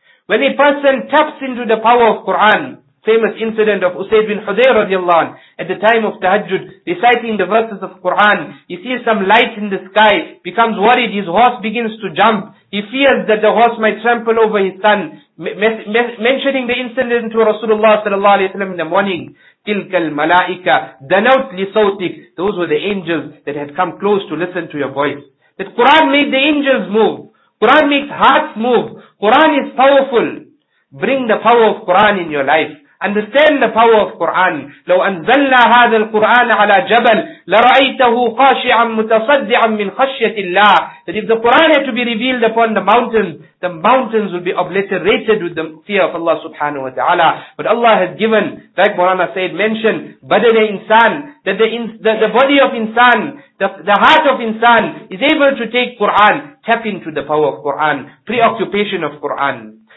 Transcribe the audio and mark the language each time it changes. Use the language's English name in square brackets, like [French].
[English] When a person taps into the power of Qur'an, famous incident of Usayd bin Hudayr radiallahu anhu, at the time of tahajjud, reciting the verses of Qur'an, he sees some light in the sky, becomes worried, his horse begins to jump, he fears that the horse might trample over his son, mentioning the incident to Rasulullah sallallahu alayhi wa sallam in the morning. [Arabic] Tilka al-malaika, danaut li-sawtik. [English] Those were the angels that had come close to listen to your voice. That Qur'an made the angels move. Qur'an makes hearts move. Qur'an is powerful. Bring the power of Qur'an in your life. Understand the power of Qur'an. [Arabic] لو أنزلنا هذا القرآن على جبل لرأيته خاشعا متصدعا من خشية الله. [English] That if the Qur'an had to be revealed upon the mountains will be obliterated with the fear of Allah subhanahu wa ta'ala. But Allah has given, like Maulana Sayyid mentioned, badana insan, that the body of insan, the heart of insan is able to take Qur'an, tap into the power of Qur'an, preoccupation of Qur'an.